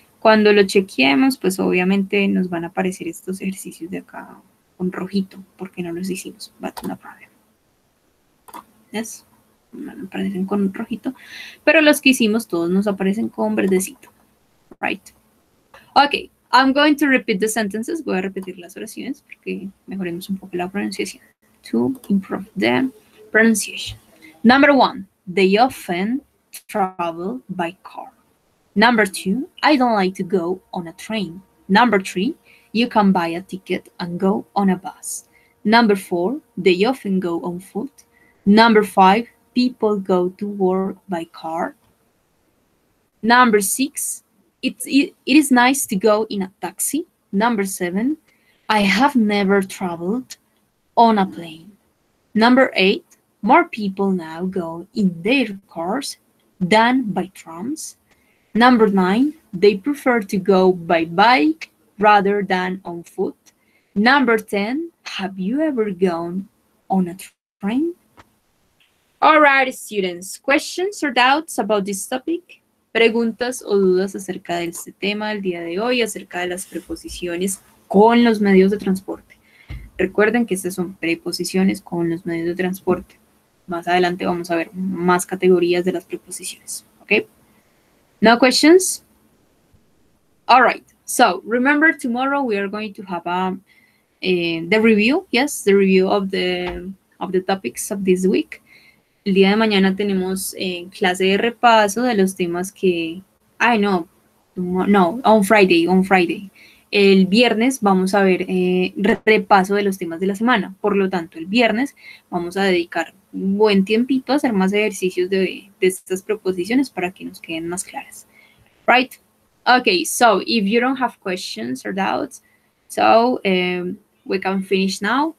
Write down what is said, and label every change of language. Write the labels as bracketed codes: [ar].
[es] Cuando lo chequeemos, pues obviamente nos van a aparecer estos ejercicios de acá con rojito, porque no los hicimos. [en] But no problem. [es] ¿Ves? No aparecen con rojito. Pero los que hicimos, todos nos aparecen con verdecito. [en] Right. Ok. I'm going to repeat the sentences. [es] Voy a repetir las oraciones porque mejoremos un poco la pronunciación. [en] To improve the pronunciation. Number one. They often travel by car. Number two, I don't like to go on a train. Number three, you can buy a ticket and go on a bus. Number four, they often go on foot. Number five, people go to work by car. Number six, it is nice to go in a taxi. Number seven, I have never traveled on a plane. Number eight, more people now go in their cars than by trams. Number nine, they prefer to go by bike rather than on foot. Number 10, have you ever gone on a train? All right, students, questions or doubts about this topic? [es] Preguntas o dudas acerca de este tema el día de hoy, acerca de las preposiciones con los medios de transporte. Recuerden que estas son preposiciones con los medios de transporte. Más adelante vamos a ver más categorías de las preposiciones, ¿ok? [en] No questions? All right, so remember tomorrow we are going to have the review, yes, the review of the topics of this week. [es] El día de mañana tenemos clase de repaso de los temas que, [en] on Friday. [es] El viernes vamos a ver repaso de los temas de la semana. Por lo tanto, el viernes vamos a dedicar un buen tiempito a hacer más ejercicios de estas preposiciones para que nos queden más claras. [en] Right? Okay, so if you don't have questions or doubts, so we can finish now.